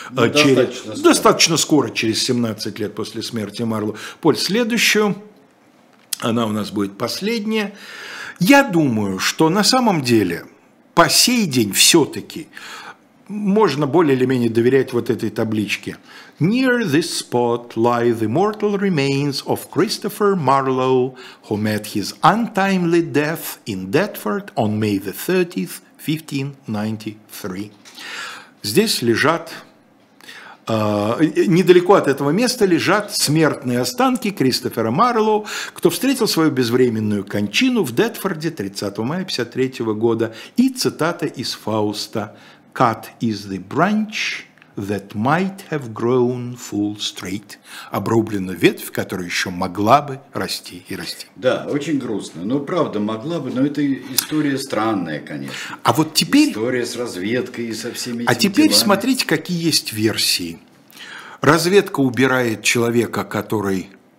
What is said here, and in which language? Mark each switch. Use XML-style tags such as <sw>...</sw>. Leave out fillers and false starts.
<ru>достаточно скоро, через 17 лет после смерти Марлоу. Поль, следующую. Она у нас будет последняя. Я думаю, что на самом деле по сей день все-таки можно более или менее доверять вот этой табличке.</ru> <en>Near this spot lie the mortal remains of Christopher Marlowe, who met his untimely death in Deptford on May the 30th, 1593.</en> <ru>Здесь лежат, недалеко от этого места лежат смертные останки Кристофера Марлоу, кто встретил свою безвременную кончину в Детфорде 30 мая 1953 года. И цитата из Фауста:</ru> <en>«Cut is the branch that might have grown full straight».</en> <ru>Обрублена ветвь, которая еще могла бы расти и расти. Да, очень грустно. Ну, правда, могла бы, но это история странная, конечно. А вот теперь... История с разведкой и со всеми этими А теперь делами. Смотрите, какие есть версии. Разведка убирает человека, который...</ru>